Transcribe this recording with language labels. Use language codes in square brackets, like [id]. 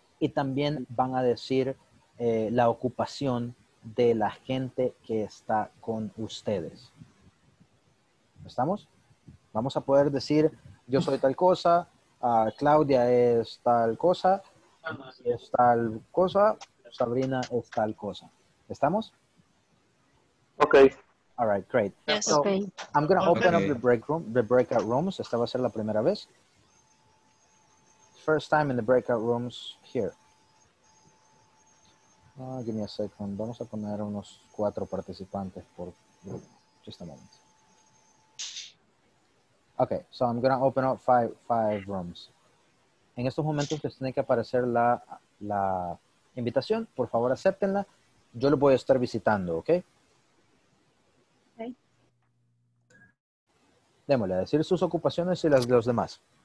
[es] Y también van a decir la ocupación de la gente que está con ustedes. ¿Estamos? Vamos a poder decir, yo soy tal cosa, Claudia es tal cosa, es tal cosa, Sabrina es tal cosa. ¿Estamos? [en] Okay. All right, great. Yes, so, okay. I'm going to open up the breakout rooms. [es] Esta va a ser la primera vez. [en] First time in the breakout rooms here. Give me a second. [es] Vamos a poner unos 4 participantes por grupo. [en] Just a moment. Okay, so I'm going to open up 5 rooms. [es] En estos momentos les tiene que aparecer la invitación. Por favor, acéptenla. Yo lo voy a estar visitando, ¿ok? [en] Okay. [es] Démosle a decir sus ocupaciones y las de los demás.